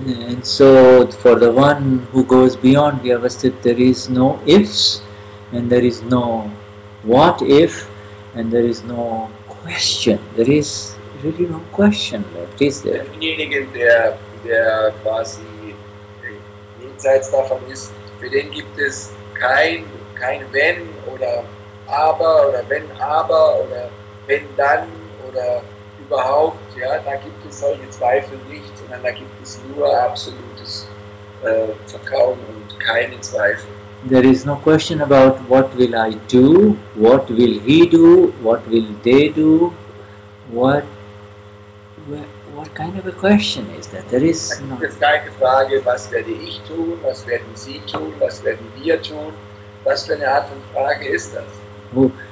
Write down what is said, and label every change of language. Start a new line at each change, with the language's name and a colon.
English: And so, for the one who goes beyond Vyavasthit, there is no ifs, and there is no what if, and there is no question. There is really no question left, is there?
German: Für denjenigen, der quasi jenseits davon ist, für den gibt es kein wenn oder aber oder wenn dann oder überhaupt. Ja, da gibt es solche Zweifel nicht, sondern da gibt es nur absolutes Vertrauen und keine Zweifel.
English: there is no question about what will I do, what will he do, what will they do, what kind of a question is that? There is no...
German: Es gibt keine Frage, was werde ich tun, was werden Sie tun, was werden wir tun, was für eine Art von Frage ist das?